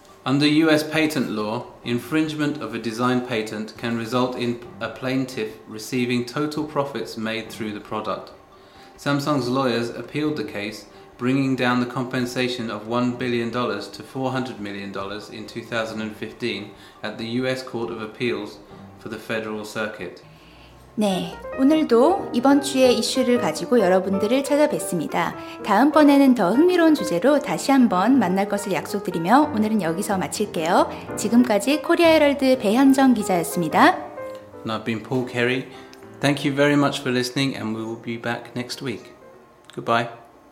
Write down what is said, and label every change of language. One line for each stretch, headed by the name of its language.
English: Under US patent law, infringement of a design patent can result in a plaintiff receiving total profits made through the product. Samsung's lawyers appealed the case, bringing down the compensation of $1 billion to $400 million in 2015 at the US Court of Appeals for the Federal Circuit.
Korean: 네, 오늘도 이번 주의 이슈를 가지고 여러분들을 찾아뵙습니다. 다음번에는 더 흥미로운 주제로 다시 한번 만날 것을 약속드리며 오늘은 여기서 마칠게요. 지금까지 코리아 헤럴드 배현정 기자였습니다.
English: And I've been Paul Carey. Thank you very much for listening and we will be back next week. Goodbye.